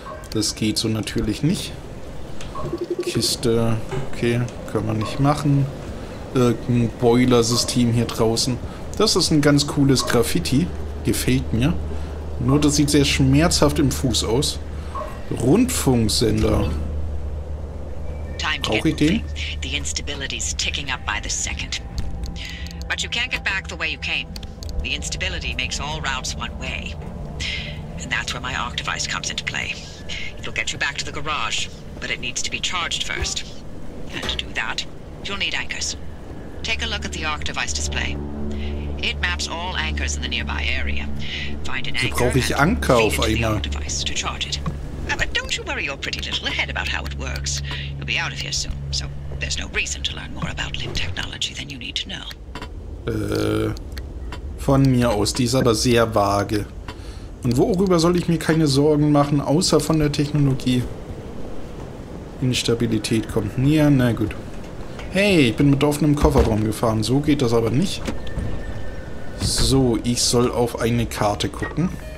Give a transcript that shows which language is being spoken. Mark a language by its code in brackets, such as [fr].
[de] Das geht so natürlich nicht. Kiste, okay, können wir nicht machen. Irgendein Boiler-System hier draußen. Das ist ein ganz cooles Graffiti. Gefällt mir. Nur das sieht sehr schmerzhaft im Fuß aus. Rundfunksender. Brauche ich den? [en] The instability is ticking up by the second. But you can't get back the way you came. The instability makes all routes one way. And that's where my arc device comes into play. It'll get you back to the garage, but it needs to be charged first. And to do that, you'll need anchors. Take a look at the arc device display. It maps all anchors in the nearby area. Find an anchor and feed it to the arc device to charge it. But don't you worry your pretty little head about how it works. You'll be out of here soon, so there's no reason to learn more about limb technology than you need to know. [de] Von mir aus, die ist aber sehr vage. Und worüber soll ich mir keine Sorgen machen, außer von der Technologie? Instabilität kommt näher, na gut. Hey, ich bin mit offenem Kofferraum gefahren, so geht das aber nicht. So, ich soll auf eine Karte gucken.